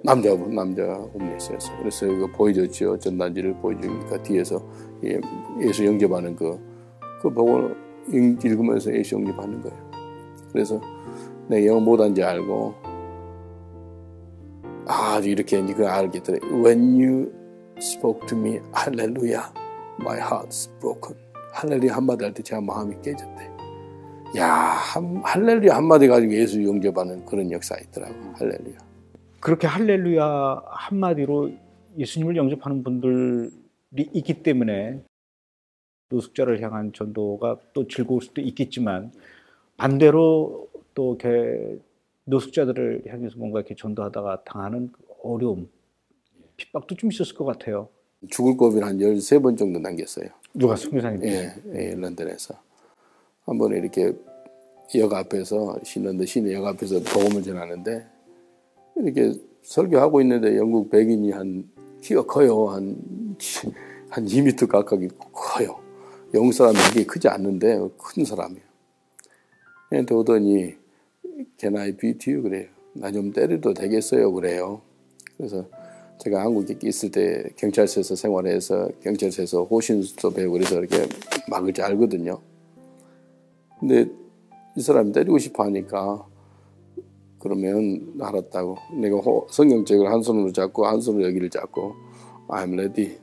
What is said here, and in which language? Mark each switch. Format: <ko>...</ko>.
<ko>남자 홈리스였어요. 그래서 이거 보여줬죠. 전단지를 보여주니까 뒤에서 예수 영접하는 그 보고 읽으면서 예수 영접하는 거예요. 그래서 내가 영어 못한 줄 알고 아주 이렇게 그걸 알게 되더라고요.</ko> <en>When you spoke to me, hallelujah, my heart's broken.</en> <ko>할렐루야 한마디 할 때 제가 마음이 깨졌대. 야, 할렐루야 한마디 가지고 예수 영접하는 그런 역사 있더라고요. 할렐루야. 그렇게 할렐루야 한마디로 예수님을 영접하는 분들이 있기 때문에 노숙자를 향한 전도가 또 즐거울 수도 있겠지만 반대로 또 이렇게 노숙자들을 향해서 뭔가 이렇게 전도하다가 당하는 어려움, 핍박도 좀 있었을 것 같아요. 죽을 고비를 한 13번 정도 남겼어요. 누가 선교사님? 예, 런던에서. 한 번에 이렇게 역 앞에서 신런던 시내 역 앞에서 복음을 전하는데 이렇게 설교하고 있는데 영국 백인이 한 키가 커요. 한 2m 가까이 커요. 영국 사람이 되게 크지 않는데 큰 사람이에요. 얘한테 오더니</ko> <en>Can I beat you?</en> <ko>그래요. 나 좀 때려도 되겠어요? 그래요. 그래서 제가 한국에 있을 때 경찰서에서 생활해서 경찰서에서 호신술도 배우고 그래서 이렇게 막을 줄 알거든요. 근데 이 사람이 때리고 싶어 하니까 그러면 알았다고 내가 성경책을 한 손으로 잡고 한 손으로 여기를 잡고</ko> <en>I'm ready.</en>